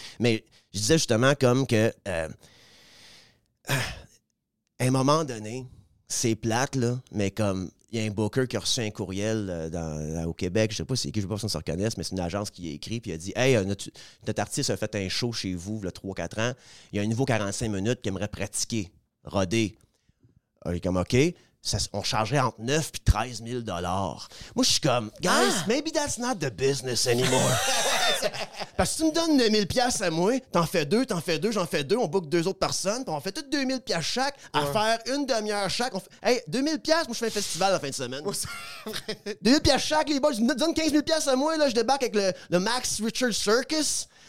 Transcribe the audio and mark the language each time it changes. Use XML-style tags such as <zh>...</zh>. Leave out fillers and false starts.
<fr>Mais je disais justement comme que... à un moment donné, c'est plate, là, mais comme il y a un booker qui a reçu un courriel au Québec, je sais pas si c'est qui, je sais pas si on se reconnaît, mais c'est une agence qui a écrit puis a dit « Hey, notre artiste a fait un show chez vous il y a 3-4 ans. Il y a un nouveau 45 minutes qu'il aimerait pratiquer, roder. » Il est comme « OK. » Ça, on chargeait entre 9 et 13 000 $. Moi, je suis comme,</fr> <en>guys, maybe that's not the business anymore.</en> <fr>Parce que tu me donnes 9 000 piastres à moi, t'en fais deux, j'en fais deux, on book deux autres personnes, puis on fait toutes 2 000 piastres chaque à faire une demi-heure chaque. Hey, 2 000 piastres, moi, je fais un festival la fin de semaine. 2 000 piastres chaque, les boys, je me donne 15 000 piastres à moi, là, je débarque avec le Max Richard Circus.</fr>